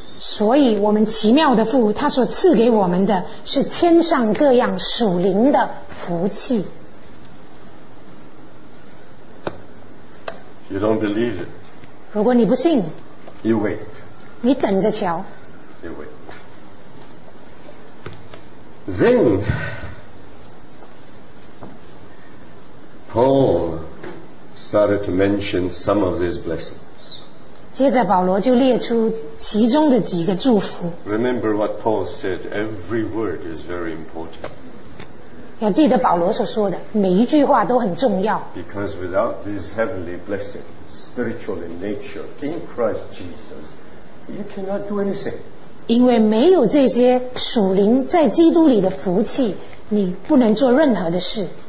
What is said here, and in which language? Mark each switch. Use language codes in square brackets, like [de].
[zh] 所以我们奇妙的父，他所赐给我们的是天上各样属灵的福气。 [en] You don't believe it. [zh] 如果你不信。 [en] You wait. [zh] 你等着瞧。 [en] You wait. Then, Paul started to mention some of these blessings. [zh] 接着保罗就列出其中的几个祝福。 [en] Remember what Paul said. Every word is very important. [zh] 要记得保罗所说的，每一句话都很重要。 [en] Because without these heavenly blessings,spiritual in nature in Christ Jesus, you cannot do anything. [zh] 因为没有这些属灵在基督里的福气，你不能做任何的事。